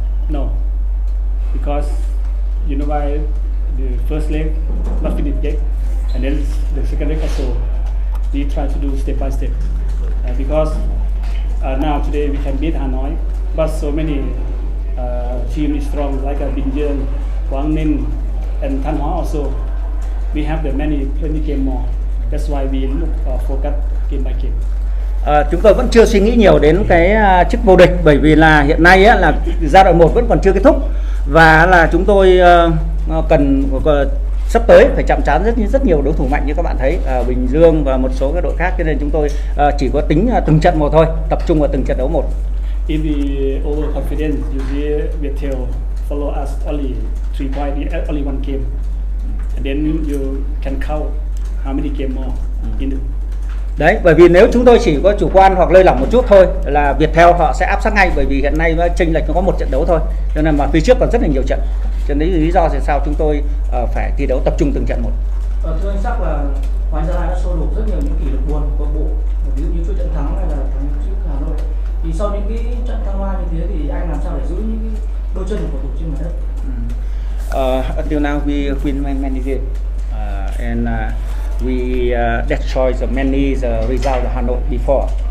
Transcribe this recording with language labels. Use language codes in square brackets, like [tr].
[en] No, because you know why the first leg not finished yet, and then the second leg also. We try to do step by step, because Now today we can beat Hanoi, but so many team is strong like Bình Dương, Quảng Ninh, and Thanh Hóa also. We have the many plenty game more. That's why we look focus game by game. [vi] Chúng tôi vẫn chưa suy nghĩ nhiều đến cái chức vô địch bởi vì là hiện nay á, là giai đoạn 1 vẫn còn chưa kết thúc và là chúng tôi cần sắp tới phải chạm trán rất nhiều đối thủ mạnh như các bạn thấy ở Bình Dương và một số các đội khác, cho nên chúng tôi chỉ có tính từng trận một thôi, tập trung vào từng trận đấu một. [en] In the overconfidence, you see Viettel follow us only 3 points in only one game. And then you can count how many game more in the... [vi] Đấy, bởi vì nếu chúng tôi chỉ có chủ quan hoặc lơi lỏng một chút thôi là Viettel họ sẽ áp sát ngay, bởi vì hiện nay chênh lệch có một trận đấu thôi, cho nên mà phía trước còn rất là nhiều trận. Cho nên lý do tại sao chúng tôi phải thi đấu tập trung từng trận một. Thưa anh Sắc, là Hoàng Gia Lai đã sôi đục rất nhiều những kỷ lục buồn của bộ, ví dụ như chuỗi trận thắng hay là thắng trước Hà Nội. Thì sau những cái trận thăng hoa như thế thì anh làm sao để giữ những cái đôi chân của cầu thủ trên mặt đất? [en] Until now we win many games and we destroy the many the result of Hanoi before.